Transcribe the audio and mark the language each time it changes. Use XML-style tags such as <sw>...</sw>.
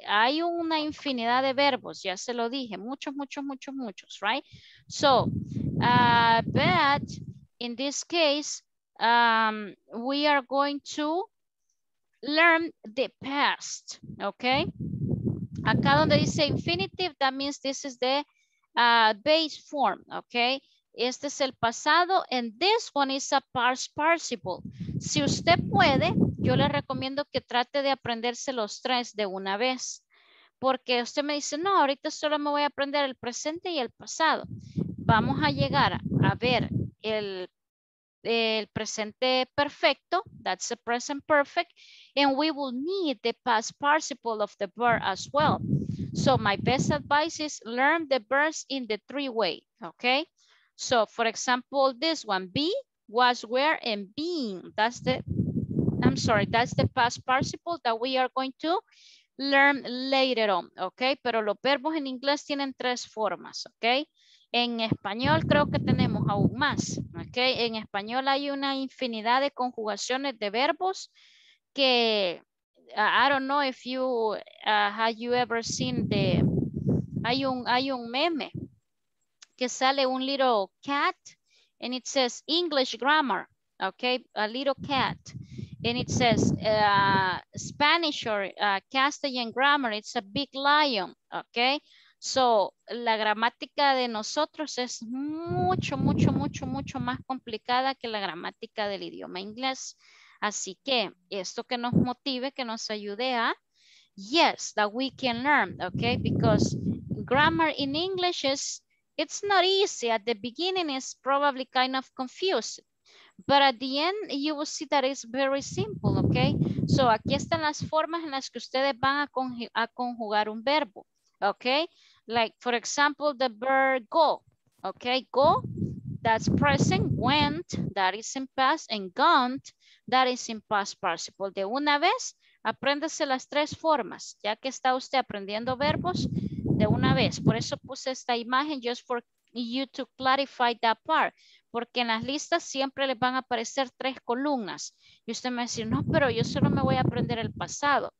<es>Hay una infinidad de verbos, ya se lo dije, muchos, right?</es> <en>So, but in this case, we are going to learn the past, okay?</en> <es>Acá donde dice</es> <en>infinitive, that means this is the base form, okay?</en> <es>Este es el pasado,</es> <en>and this one is a past participle.</en> <es>Si usted puede, yo le recomiendo que trate de aprenderse los tres de una vez. Porque usted me dice, no, ahorita solo me voy a aprender el presente y el pasado. Vamos a llegar a ver el presente perfecto,</es> <en>that's the present perfect, and we will need the past participle of the verb as well. So my best advice is learn the verbs in the three way, okay? So for example, this one, be, was, where, and being, that's the past participle that we are going to learn later on, okay?</en> <es>Pero los verbos en inglés tienen tres formas, okay? En español creo que tenemos aún más, ¿ok? En español hay una infinidad de conjugaciones de verbos que,</es> <en>I don't know if you, have you ever seen the,</en> <es>hay un meme que sale un</es> <en>little cat and it says English grammar, ¿ok? A little cat and it says Spanish or Castilian grammar, it's a big lion, ¿ok?</en> <es>So, la gramática de nosotros es mucho más complicada que la gramática del idioma inglés. Así que, esto que nos motive, que nos ayude a,</es> <en>yes, that we can learn,</en> <es>okay?</es> <en>Because grammar in English is, it's not easy. At the beginning, it's probably kind of confused. But at the end, you will see that it's very simple, okay?</en> <es>So, aquí están las formas en las que ustedes van a conjugar un verbo, okay?</es> <en>Like, for example, the verb go, okay? Go, that's present, went, that is in past, and gone, that is in past participle.</en> <es>De una vez, apréndase las tres formas, ya que está usted aprendiendo verbos de una vez. Por eso puse esta imagen,</es> <en>just for you to clarify that part.</en> <es>Porque en las listas siempre les van a aparecer tres columnas. Y usted me dice, no, pero yo solo me voy a aprender el pasado.</es>